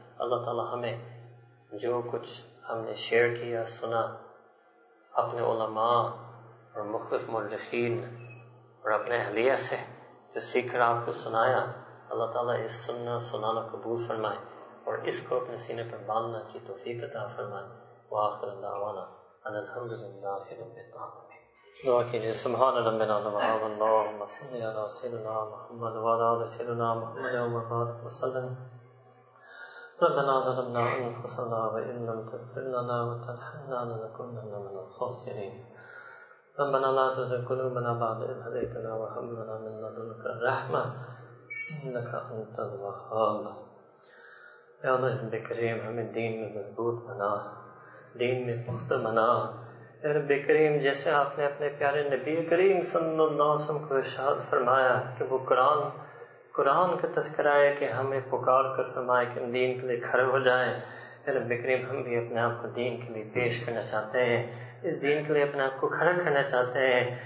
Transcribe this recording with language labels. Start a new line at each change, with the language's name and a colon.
Urdu: اللہ تعالیٰ ہمیں جو کچھ ہم نے شیئر کیا سنا اپنے علماء اور مختلف مورخین اور اپنے اہلیہ سے جو سیکھ رہا آپ کو سنایا, اللہ تعالیٰ اس سننا سنانا قبول فرمائے اور اس کو اپنے سینے پر باندھنا کی توفیق عطا فرمائے.
Arabic: وآخر دعوانا ان الحمد للہ رب العالمین.
Urdu: دعا کیجیے.
Arabic: سبحان ربنا العظیم, اللهم صل علی سيدنا محمد وعلى آل سيدنا محمد و بارك وسلم. ربنا ظلمنا انفسنا وان لم تغفر لنا وترحمنا لنكونن من الخاسرين. ربنا لا تزغ قلوبنا بعد إذ هديتنا وهب لنا من لدنك الرحمة إنك أنت الوهاب. يا الله رب كريم,
Urdu: ہمیں دین میں مضبوط بنا, دین میں پختہ بنا. اے رب کریم, جیسے آپ نے اپنے پیارے نبی کریم صلی اللہ علیہ وسلم کو ارشاد فرمایا کہ وہ قرآن کا تذکرہ ہے کہ ہمیں پکار کر فرمائے کہ ہم دین کے لیے کھڑے ہو جائیں, اے رب کریم ہم بھی اپنے آپ کو دین کے لیے پیش کرنا چاہتے ہیں, اس دین کے لیے اپنے آپ کو کھڑا کرنا چاہتے ہیں.